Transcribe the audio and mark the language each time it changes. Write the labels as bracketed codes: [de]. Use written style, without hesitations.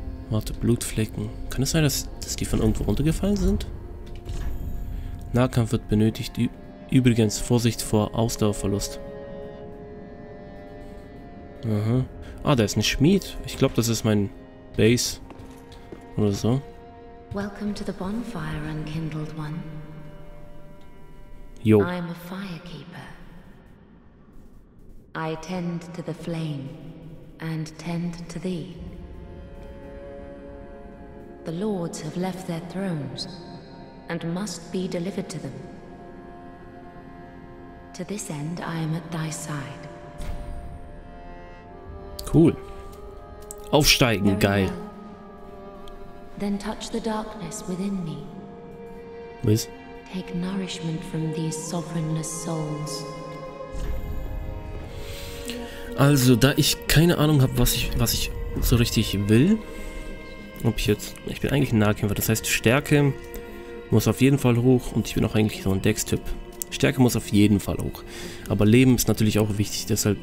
[de] Warte, Blutflecken. Kann es sein, dass die von irgendwo runtergefallen sind? Nahkampf wird benötigt. Übrigens, Vorsicht vor Ausdauerverlust. Aha. Ah, da ist ein Schmied. Ich glaube, das ist mein Base. Oder so. [en] Welcome to the bonfire, unkindled one. Jo. I'm a firekeeper. I tend to the flame and tend to thee. The lords have left their thrones and must be delivered to them. To this end, I am at thy side. Cool. [de] Aufsteigen, geil. [en] Well. Then touch the darkness within me. [de] Was? [en] Take nourishment from these sovereignless souls. [de] Also, da ich keine Ahnung habe, was ich so richtig will. Ob ich jetzt. Ich bin eigentlich ein Nahkämpfer. Das heißt, Stärke muss auf jeden Fall hoch. Und ich bin auch eigentlich so ein Dex-Typ. Stärke muss auf jeden Fall hoch. Aber Leben ist natürlich auch wichtig. Deshalb.